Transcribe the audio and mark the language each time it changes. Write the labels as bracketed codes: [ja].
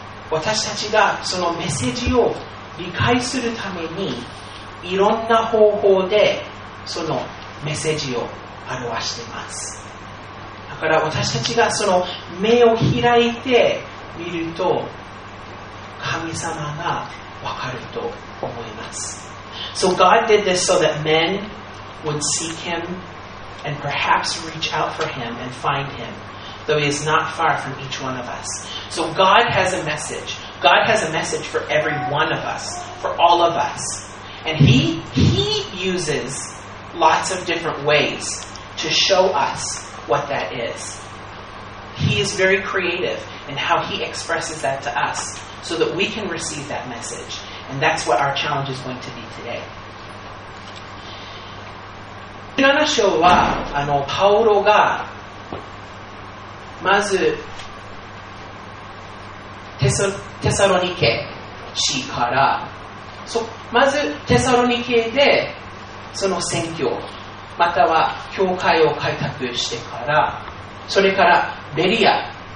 [ja] 私たちがそのメッセージを理解するためにいろんな方法でそのメッセージを表しています。だから私たちがその目を開いてみると神様がわかると思います。 [en] So God did this so that men would seek him and perhaps reach out for him and find him, though he is not far from each one of us. So God has a message. God has a message for every one of us, for all of us. And he uses lots of different ways to show us what that is. He is very creative in how he expresses that to us so that we can receive that message. And that's what our challenge is going to be today. [ja] 17章はパウロがまずテサロニケ市から、まずテサロニケでその宣教または教会を開拓してから、それからベリア